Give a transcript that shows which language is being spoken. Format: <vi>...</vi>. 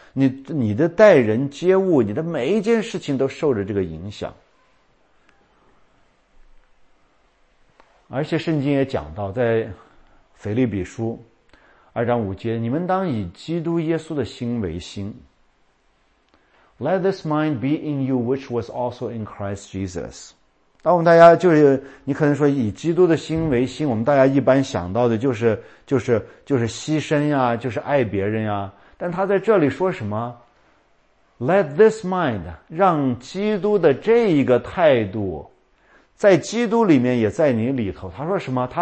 <zh>你的待人接物，你的每一件事情都受着这个影响。而且圣经也讲到，在腓立比书2:5，你们当以基督耶稣的心为心。</zh> <en>Let this mind be in you, which was also in Christ Jesus.</en> <zh>当我们大家就是，你可能说以基督的心为心，我们大家一般想到的就是牺牲呀，就是爱别人呀。但他在这里说什么 ？</zh> <en>Let this mind，</en> <zh>让基督的这一个态度，在基督里面也在你里头。他说什么？</zh>